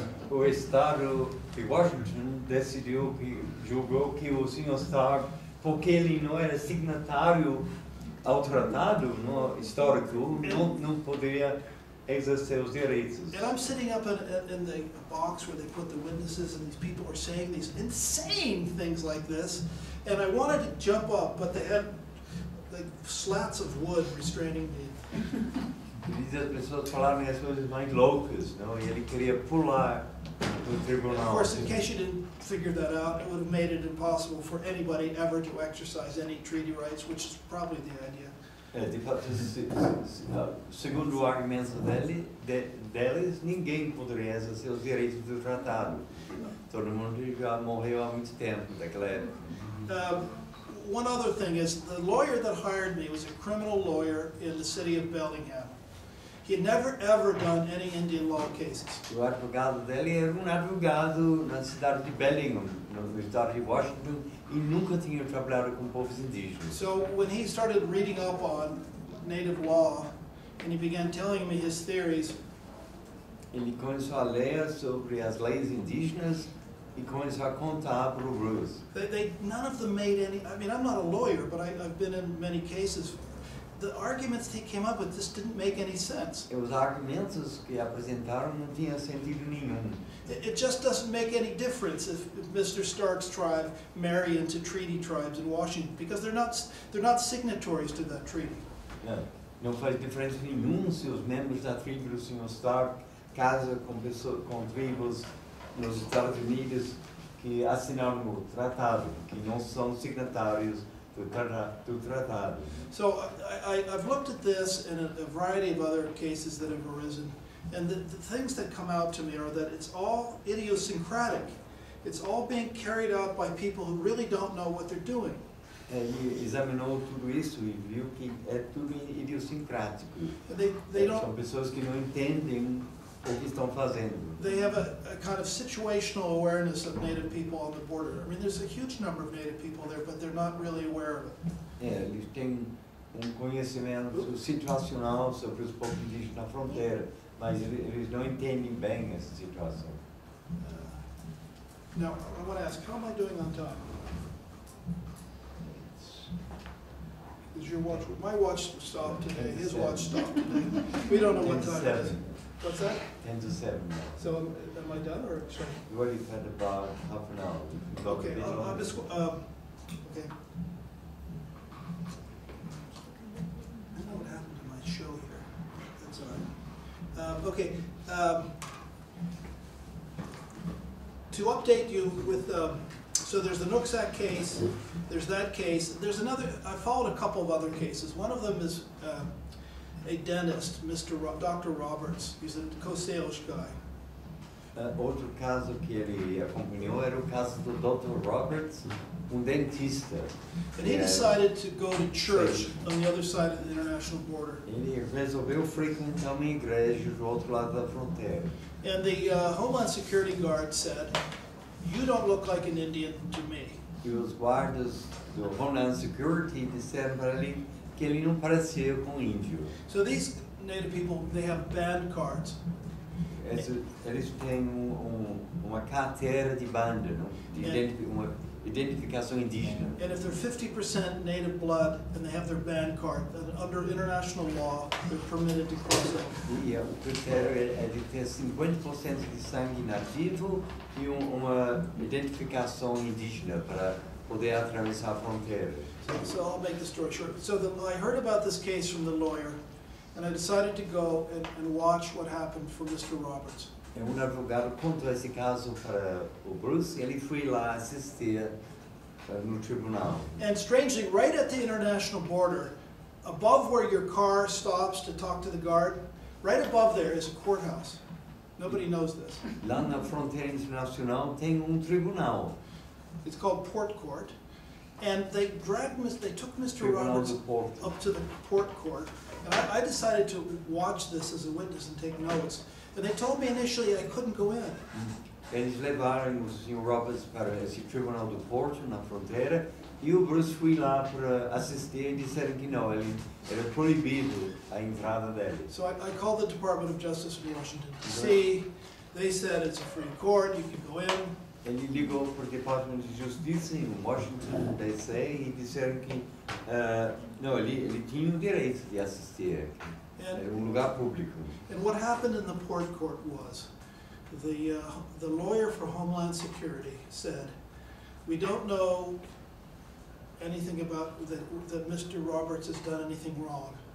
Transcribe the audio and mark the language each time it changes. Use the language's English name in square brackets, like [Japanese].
[Portuguese] O estado de Washington decidiu que julgou que o senhor Stark, porque ele não era signatário ao tratado no histórico, não poderia exercer os direitos. [English] And I'm sitting up in the box where they put the witnesses, and these people are saying these insane things like this, and I wanted to jump up, but they had like slats of wood restraining me. [Portuguese] Ele dizia as pessoas falarem as coisas mais loucas, não? E ele queria pular do tribunal. [English] Of course, in case you didn't figure that out, it would have made it impossible for anybody ever to exercise any treaty rights, which is probably the idea. [Portuguese] É, de fato, segundo o argumento deles, ninguém poderia exercer os direitos do tratado. Todo mundo já morreu há muito tempo daquela época. [English] One other thing is, the lawyer that hired me was a criminal lawyer in the city of Bellingham. He had never, ever done any Indian law cases. [Portuguese] O advogado dele era advogado na cidade de Bellingham, no estado de Washington, e nunca tinha trabalhado com povos indígenas. [English] So when he started reading up on native law, and he began telling me his theories, [Portuguese] ele começou a ler sobre as leis indígenas, e começou a contar para o Bruce. [English] They none of them made any, I mean, I'm not a lawyer, but I've been in many cases. The arguments they came up with just didn't make any sense. [Portuguese] E os argumentos que apresentaram não tinham sentido nenhum. [English] It just doesn't make any difference if Mr. Stark's tribe marry into treaty tribes in Washington, because they're not signatories to that treaty. [Portuguese] Não faz diferença nenhum se os membros da tribo do Sr. Stark casam com tribos nos Estados Unidos que assinaram o tratado, que não são signatários do tratado. [English] So I've looked at this in a variety of other cases that have arisen, and the things that come out to me are that it's all idiosyncratic. It's all being carried out by people who really don't know what they're doing. [Portuguese] Ele examinou tudo isso e viu que é tudo idiosincrático. São pessoas que não entendem o que estão fazendo. [English] They have a kind of situational awareness of native people on the border. I mean, there's a huge number of native people there, but they're not really aware of it. É, eles têm conhecimento situacional sobre os povos indígenas na fronteira, mas eles não entendem bem essa situação. Now, I want to ask, how am I doing on time? Is your watch, my watch stopped today, his watch stopped today. We don't know what time it is. What's that? 10 to 7. So am I done or sorry? You already had about half an hour. Okay, I'll just, okay. I don't know what happened to my show here. That's all right. Okay. To update you with, so there's the Nooksack case, there's that case, there's another, I followed a couple of other cases. One of them is, a dentist, Dr. Roberts. He's a Coast Salish guy. [Portuguese] Outro caso que ele acompanhou era o caso do Dr. Roberts, dentista. [English] And he decided to go to church on the other side of the international border. [Portuguese] Ele resolveu frequentar uma igreja do outro lado da fronteira. [English] And the Homeland Security guard said, "You don't look like an Indian to me." [Portuguese] E os guardas do Homeland Security disseram para ele que ele não parecia com índio. [English] So these native people, they have band cards. [Portuguese] Eles têm uma carteira de banda, não? Uma identificação indígena. [English] And if they're 50% native blood and they have their band card, then under international law, they're permitted to cross over. [Portuguese] E o critério é de ter 50% de sangue nativo e uma identificação indígena para poder atravessar a fronteira. [English] So I'll make the story short. So I heard about this case from the lawyer, and I decided to go and watch what happened for Mr. Roberts. [Portuguese] Um advogado contou esse caso para o Bruce, e ele foi lá assistir no tribunal. [English] And strangely, right at the international border, above where your car stops to talk to the guard, right above there is a courthouse. Nobody knows this. [Portuguese] Lá na fronteira internacional tem tribunal. [English] It's called Port Court. And they dragged they took Mr. Roberts up to the port court, and I decided to watch this as a witness and take notes. And they told me initially I couldn't go in. [Portuguese] Eles levaram o Sr. Roberts para esse tribunal do porto na fronteira, e o Bruce foi lá para assistir e disseram que não, ele era proibido a entrada dele. [English] So I called the Department of Justice in Washington D.C. They said it's a free court, you can go in. [Portuguese] Ele ligou para o Departamento de Justiça em Washington, D.C. e disseram que ele tinha o direito de assistir. Era um lugar público. [English] And what happened in the port court was the lawyer for Homeland Security said, "We don't know anything about that Mr. Roberts has done anything wrong.